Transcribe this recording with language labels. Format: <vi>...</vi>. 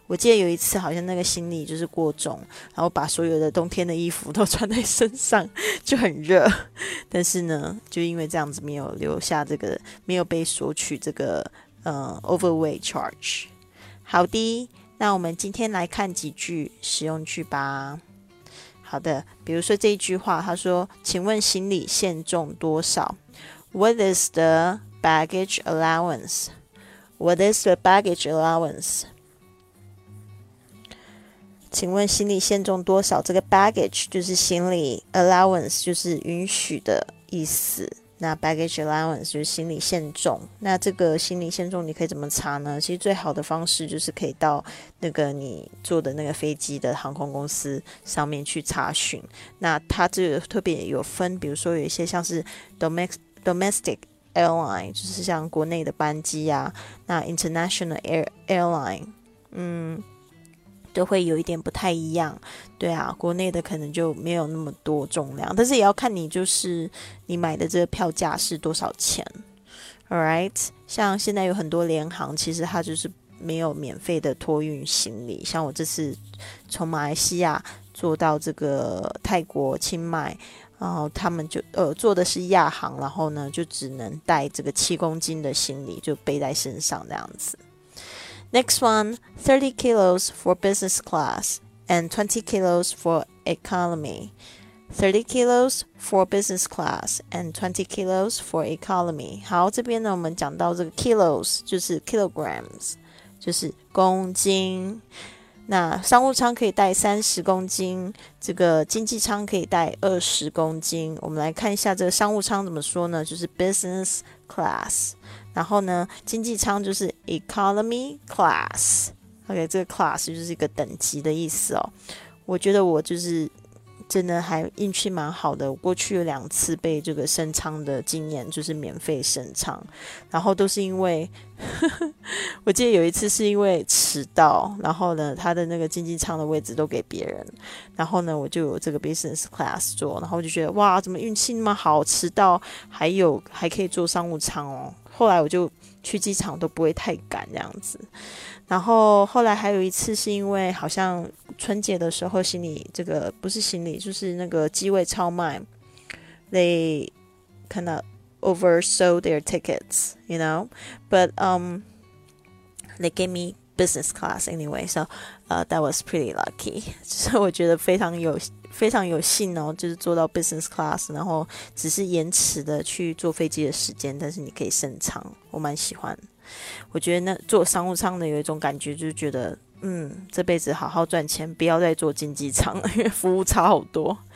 <zh>我记得有一次好像那个行李就是过重，然后把所有的冬天的衣服都穿在身上就很热，但是呢就因为这样子没有留下这个，没有被索取这个overweight charge。好的，那我们今天来看几句实用句吧。好的，比如说这一句话，他说请问行李限重多少？</zh> <en>What is the baggage allowance? What is the baggage allowance?</en> <zh>请问行李限重多少？这个 baggage 就是行李， allowance 就是允许的意思，那 baggage allowance 就是行李限重。那这个行李限重你可以怎么查呢？其实最好的方式就是可以到那个你坐的那个飞机的航空公司上面去查询。那它这个特别有分，比如说有一些像是 domestic airline， 就是像国内的班机啊，那 international airline 都会有一点不太一样。对啊，国内的可能就没有那么多重量，但是也要看你就是你买的这个票价是多少钱。 Alright， 像现在有很多联航其实它就是没有免费的托运行李，像我这次从马来西亚坐到这个泰国清迈，然后他们就坐的是亚航，然后呢就只能带这个7公斤的行李就背在身上这样子。</zh> <en>Next one, 30 kilos for business class and 20 kilos for economy. 30 kilos for business class and 20 kilos for economy.</en> <zh>好，这边呢，我们讲到这个 kilos， 就是 kilograms， 就是公斤。那商务舱可以带30公斤，这个经济舱可以带20公斤。我们来看一下这个商务舱怎么说呢，就是 business class。然后呢经济舱就是 economy class。 OK， 这个 class 就是一个等级的意思哦。我觉得我就是真的还运气蛮好的，过去有两次被这个升舱的经验，就是免费升舱，然后都是因为我记得有一次是因为迟到，然后呢他的那个经济舱的位置都给别人，然后呢我就有这个 business class 坐，然后我就觉得哇怎么运气那么好，迟到还可以坐商务舱哦。后来我就去机场都不会太赶这样子。然后后来还有一次是因为好像春节的时候行李，这个不是行李就是那个机位超卖，</zh> <en>They kind of oversold their tickets, you know? But they gave me business class anyway, so that was pretty lucky.</en> <zh>就是我觉得非常有幸哦，就是做到 business class， 然后只是延迟的去坐飞机的时间，但是你可以升舱，我蛮喜欢。我觉得那坐商务舱的有一种感觉，就是觉得这辈子好好赚钱，不要再坐经济舱了，因为服务差好多。</zh>